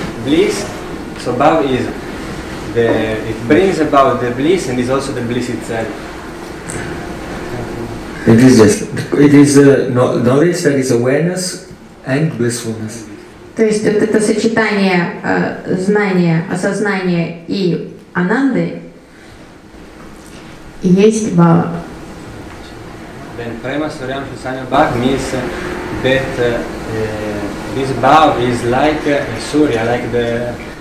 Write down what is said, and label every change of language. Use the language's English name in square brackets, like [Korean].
[English] So bhav is the, it brings about the bliss and is also the bliss itself. It is just, it is knowledge that is awareness and blissfulness. [Russian] То есть вот это сочетание знания, осознания и ананды есть бхав. [English] Then [Sanskrit] prema suryam shusanya bhav [English] means that this bhav is like a surya, like the